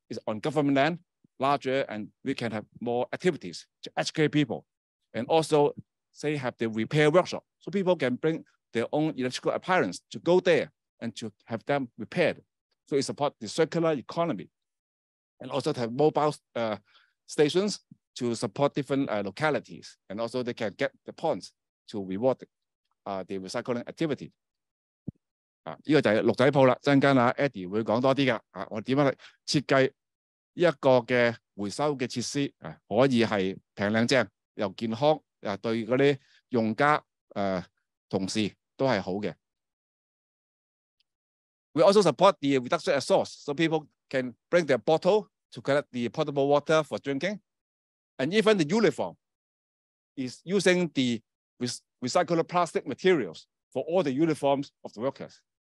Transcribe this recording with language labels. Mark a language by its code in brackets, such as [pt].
[en] It's on government land, larger, and we can have more activities to educate people, and also say have the repair workshop, so people can bring their own electrical appliance to go there and to have them repaired. So it supports the circular economy. And also to have mobile stations to support different localities. And also they can get the points to reward the recycling activity. [yue] 这个就是六仔铺了，稍后 Eddy 会讲多啲的，我怎样设计一个嘅回收嘅设施，可以是平靓正又健康，对嗰啲用家同事都是好嘅。 [en] We also support the reduction at source, so people can bring their bottle to collect the potable water for drinking. And even the uniform is using the recycled plastic materials for all the uniforms of the workers.